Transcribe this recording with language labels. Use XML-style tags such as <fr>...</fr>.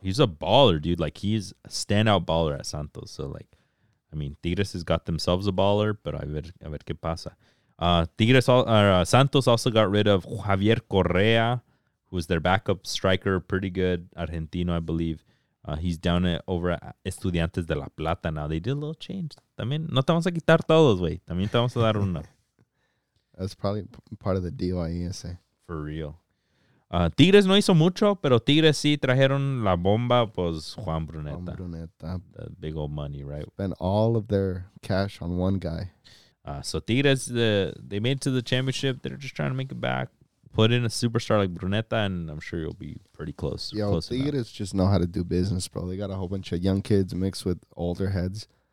<en>He's a baller, dude. Like, he's a standout baller at Santos. So, like, I mean, Tigres has got themselves a baller, but</en> <es>a ver qué pasa.</es> <en>Santos also got rid of Javier Correa, who was their backup striker, pretty good Argentino, I believe. He's down over at Estudiantes de la Plata now. They did a little change.</en> <es>También, no te vamos a quitar todos, güey. También te vamos a dar uno.</es> <en>That's probably part of the DOISA. For real.</en> <es>Tigres no hizo mucho, pero Tigres sí trajeron la bomba, pues Juan Bruneta. Juan Bruneta.</es> <en>The big old money, right? Spent all of their cash on one guy. So Tigres, they made it to the championship. They're just trying to make it back. Put in a superstar like Bruneta, and I'm sure you'll be pretty close. Yo, close Tigres enough. Just know how to do business, bro. They got a whole bunch of young kids mixed with older heads.</en>